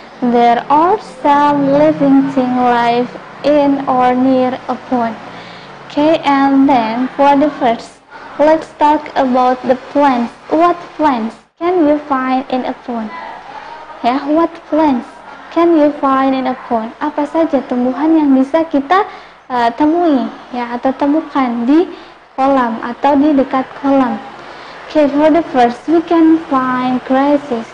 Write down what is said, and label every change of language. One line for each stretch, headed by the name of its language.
English: There are some living things live in or near a pond. Okay, and then for the first, let's talk about the plants. What plants can you find in a pond? Yeah, what plants can you find in a pond?
Indonesian: Apa saja tumbuhan yang bisa kita temui ya atau temukan di kolam atau di dekat kolam?
English: Okay, for the first, we can find grasses.